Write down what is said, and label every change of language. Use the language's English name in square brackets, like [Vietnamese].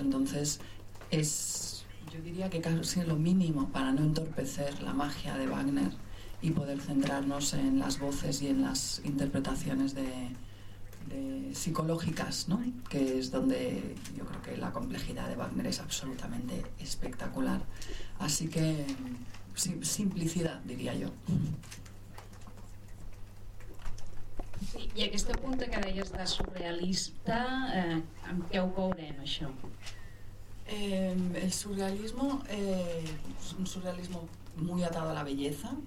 [Spanish] Entonces es, yo diría que casi lo mínimo para no entorpecer la magia de Wagner y poder centrarnos en las voces y en las interpretaciones de psicológicas, ¿no? Que es donde yo creo que la complejidad de Wagner es absolutamente espectacular. Así que simplicidad, diría yo. [Catalan] I aquest punt que deies de surrealista, amb què ho veurem, això? [Spanish] El surrealismo es un surrealismo muy atado a la belleza.